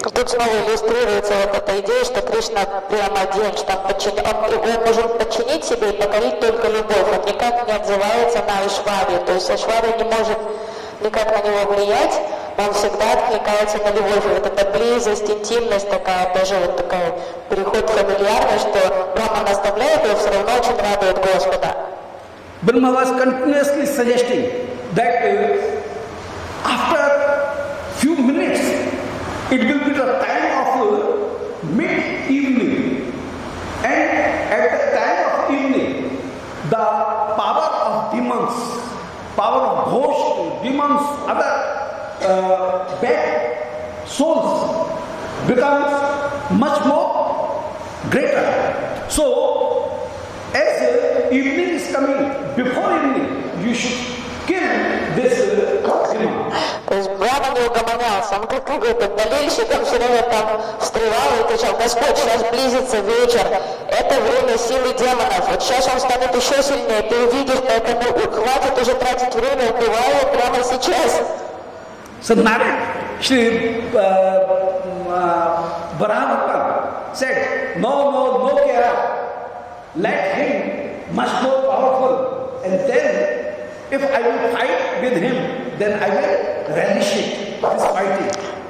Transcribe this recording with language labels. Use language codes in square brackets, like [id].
[ru] Тут снова иллюстрируется вот эта идея, что Кришна прямо один, что он может подчинить себе и покорить только любовь. Он никак не отзывается на Айшвари. То есть Айшвари не может никак на него влиять, он всегда откликается на любовь. И вот эта близость, интимность такая, даже вот такая переход фамильярный, что Брама наставляет его, все равно очень радует Господа. [en] Brahma was continuously suggesting that after few minutes, it will be the time of mid-evening. And at the time of evening, the power of demons, power of ghosts, demons, other bad souls becomes much more greater. So, as evening is coming, before evening, you should kill this demon. [ru] То есть Брама не угомонялся, он как какой-то болельщик, он все время там встревал и кричал: «Господь, сейчас близится вечер, это время силы демонов, вот сейчас он станет еще сильнее, ты увидишь, поэтому хватит уже тратить время, убивай его прямо сейчас». [en] So Narayan, Shri Varahadev said, no, no, no care, let him, much more powerful, and then, if I will fight with him, then I will relish it, this fighting.